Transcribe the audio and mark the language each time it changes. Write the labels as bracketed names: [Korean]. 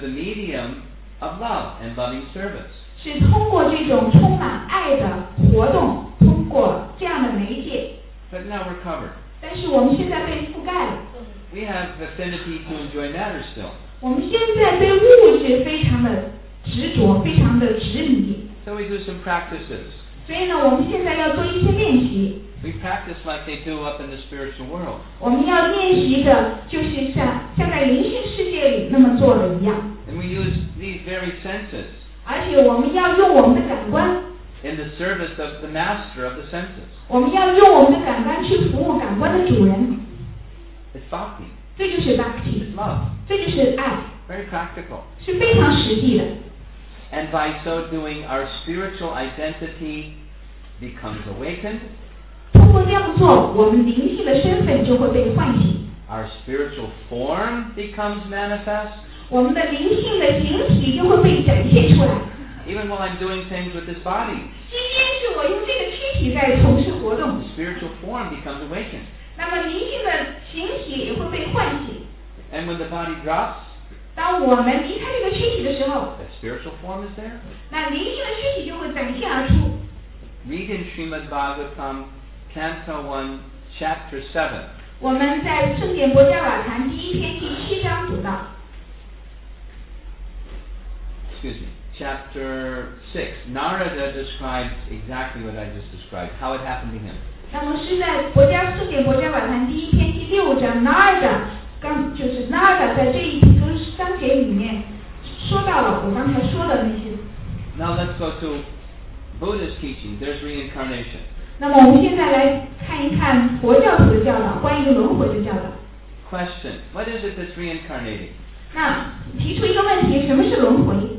[English] the medium of love and loving service. [Chinese] 是通过这种充满爱的活动，通过这样的媒介。 [English] But now we're covered. [Chinese] 但是我们现在被覆盖了。 [English] We have affinity to enjoy matter still. [Chinese] 我们现在对物质非常的执着，非常的执迷。 [English] So we do some practices. [Chinese] 所以呢，我们现在要做一些练习。 [English] We practice like they do up in the spiritual world. [Chinese] 我们要练习的就是像在灵性世界里那么做的一样。 [English] And we use these very senses. [Chinese] 而且我们要用我们的感官 [English] in the service of the master of the senses. [Chinese] 我们要用我们的感官去服务感官的主人。 [English] It's bhakti. [Chinese] 这就是 bhakti. [English] It's love. [Chinese] 这就是爱。 [English] Very practical. [Chinese] 是非常实际的。 [English] And by so doing, our spiritual identity becomes awakened. [Chinese] 通过这样做，我们灵性的身份就会被唤醒。 [English] Our spiritual form becomes manifest. [Chinese] 我们的灵性的形体就会被展现出来。 [English] Even while I'm doing things with this body, [Chinese] 今天是我用这个躯体在从事活动。 [English] The spiritual form becomes awakened. [Chinese] 那么灵性的形体也会被唤醒。 [English] And when the body drops, [Chinese] 当我们离开这个躯体的时候， [English] the spiritual form is there. [Chinese] 那灵性的躯体就会展现而出。 [English] Read in Srimad Bhagavatam, Canto 1, Chapter 7. [Chinese] 我们在《正典般若波罗蜜多》第一篇第七章读到。 [English] Excuse me, chapter 6. Narada describes exactly what I just described, how it happened to him. [Chinese] 那么是在《佛家四典佛家晚谈》第一篇第六章 ，Narada 刚就是 Narada 在这一篇章节里面说到了我刚才说的那些。 [English] Now let's go to Buddhist teaching. There's reincarnation. [Chinese] 那么我们现在来看一看佛教徒的教导，关于轮回的教导。 [English] Question: What is it that's reincarnating? [Chinese] 那提出一个问题，什么是轮回？